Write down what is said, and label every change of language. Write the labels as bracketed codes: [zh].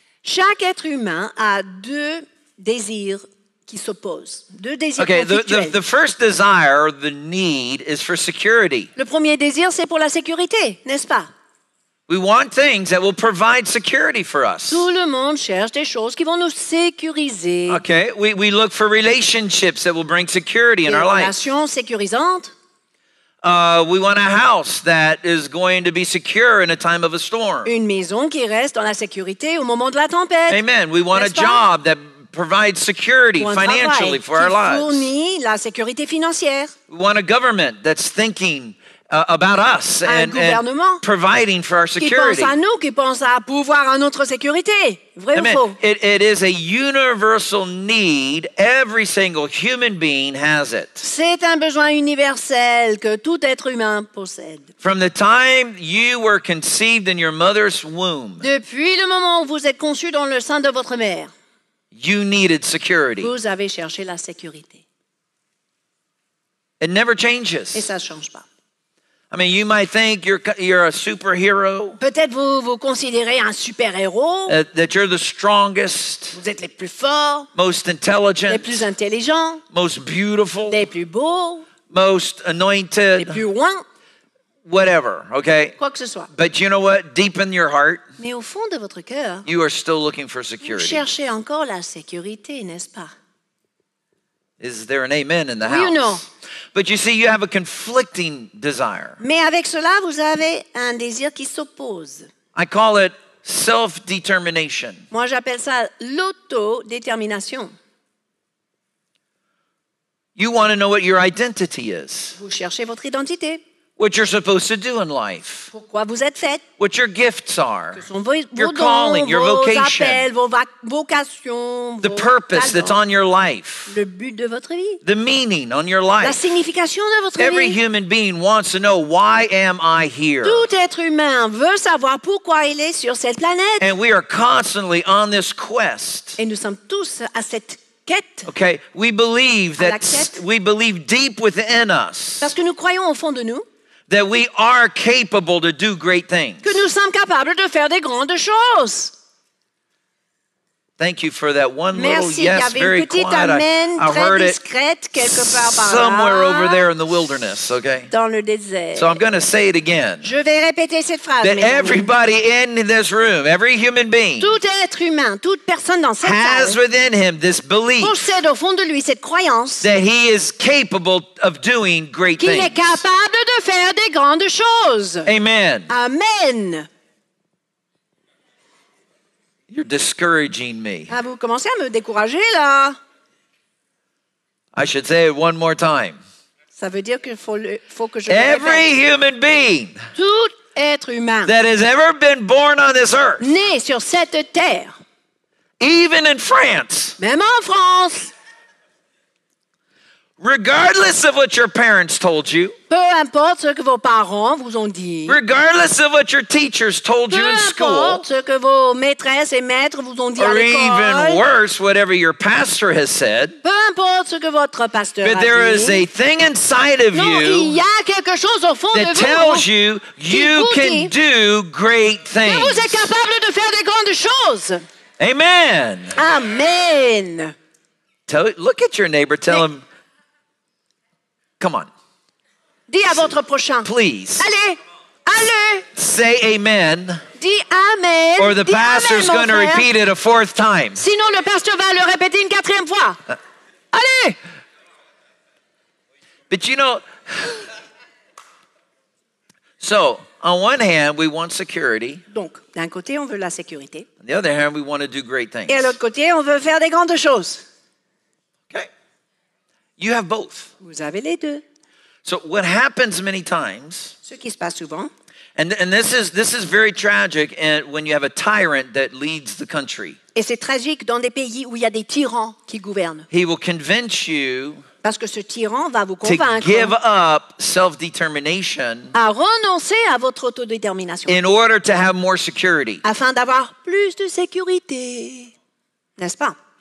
[fr] Chaque être humain a deux désirs qui s'opposent, deux désirs conflictuels. [en] Okay, the first desire, the need, is for security. [fr] Le premier désir, c'est pour la sécurité, n'est-ce pas? [en] We want things that will provide security for us. [fr] Tout le monde cherche des choses qui vont nous sécuriser. [en] Okay, we look for relationships that will bring security in our life. [fr] Des relations sécurisantes. [en] We want a house that is going to be secure in a time of a storm. [fr] Une maison qui reste dans la sécurité au moment de la tempête. [en] Amen. We want [fr] N'est-ce [en] a job [fr] pas? [en] That provides security financially for our lives. [fr] Qui fournit la sécurité financière. [en] We want a government that's thinking about us and providing for our security. [fr] Qui pense à nous, qui pense à pouvoir à notre sécurité. Vrai Amen. Ou faux? [en] It is a universal need. Every single human being has it. [fr] C'est un besoin universel que tout être humain possède. [en] From the time you were conceived in your mother's womb. [fr] Depuis le moment où vous êtes conçu dans le sein de votre mère. [en] You needed security. [fr] Vous avez cherché la sécurité. [en] It never changes. [fr] Et ça ne change pas. [en] I mean, you might think you're a superhero. [fr] Peut-être vous considérez un super-héros. [en] That you're the strongest. [fr] Vous êtes les plus forts. [en] Most intelligent. [fr] Les plus intelligents. [en] Most beautiful. [fr] Les plus beaux. [en] Most anointed. [fr] Les plus oints. [en] Whatever, okay? [fr] Quoi que ce soit. [en] But you know what? Deep in your heart. [fr] Mais au fond de votre cœur. [en] You are still looking for security. [fr] Vous cherchez encore la sécurité, n'est-ce pas? [en] Is there an amen in the house? [fr] Oui ou non? [en] But you see, you have a conflicting desire. [fr] Mais avec cela, vous avez un désir qui s'oppose. [en] I call it self-determination. [fr] Moi, j'appelle ça l'autodétermination. [en] You want to know what your identity is. [fr] Vous cherchez votre identité. [en] What you're supposed to do in life. [fr] Pourquoi vous êtes fait. [en] What your gifts are. [fr] Que sont vos [en] your [fr] dons, [en] calling, your [fr] vos vocation. Appels, vos vocations, [en] the [fr] vos [en] purpose That's on your life. [fr] Le but de votre vie. [en] The meaning on your life. [fr] La signification de votre [en] Every [fr] vie. [en] Human being wants to know, why am I here? [fr] Tout être humain veut savoir pourquoi il est sur cette planète. [en] And we are constantly on this quest. [fr] Et nous sommes tous à cette quête. [en] Okay, we believe that we believe deep within us. [fr] Parce que nous croyons au fond de nous. [en] That we are capable to do great things. [fr] Que nous sommes capables de faire des grandes choses. [en] Thank you for that one [fr] Merci. [en] Little yes, very quiet. Amen, I heard it [fr] quelque part [en] somewhere [fr] par là, [en] over there in the wilderness, okay? [fr] Dans le désert. [en] So I'm going to say it again. [fr] Je vais répéter cette phrase, [en] that everybody amis. In this room, every human being, [fr] tout être humain, toute personne dans cette [en] has [fr] salle, [en] within him this belief [fr] possède au fond de lui cette croyance, [en] that he is capable of doing great [fr] qu'il [en] things. [fr] Est capable de faire des grandes choses. Amen. Amen. [en] You're discouraging me. [fr] Ah, vous commencez à me décourager là. [en] I should say it one more time. [fr] Ça veut dire qu'il faut que je [en] Every [fr] le répète. [en] Human being. [fr] Tout être humain. [en] That has ever been born on this earth. [fr] Né sur cette terre. [en] Even in France. [fr] Même en France. [en] Regardless of what your parents told you. [fr] Peu importe ce que vos parents vous ont dit. [en] Regardless of what your teachers told you in school. [fr] Peu importe ce que vos maîtresses et maîtres vous ont dit à l'école. [en] Or even worse, whatever your pastor has said. [fr] Peu importe ce que votre pasteur a dit. [en] But there is a thing inside of you. [fr] Il y a quelque chose au fond de vous. [en] That tells you you can do great things. [fr] Vous êtes capable de faire des grandes choses. Amen. Amen. [en] Look at your neighbor. Tell him. Come on. [fr] Dis à votre prochain. [en] Please. [fr] Allez. Allez. [en] Say amen. [fr] Dis amen. [en] Or the pastor's going to repeat it a fourth time. [fr] Sinon le pasteur va le répéter une quatrième fois. Allez. [en] But you know, so on one hand we want security. [fr] Donc d'un côté on veut la sécurité. [en] On the other hand we want to do great things. [fr] Et à l'autre côté on veut faire des grandes choses. [en] You have both. [fr] Vous avez les deux. [en] So what happens many times? [fr] Ce qui se passe souvent. [en] And this is very tragic when you have a tyrant that leads the country. [fr] Et c'est tragique dans des pays où il y a des tyrans qui gouvernent. [en] He will convince you. [fr] Parce que ce tyran va vous convaincre. [en] To give up self-determination. [fr] À renoncer à votre autodétermination. [en] In order to have more security. [fr] Afin d'avoir plus de sécurité, n'est-ce pas?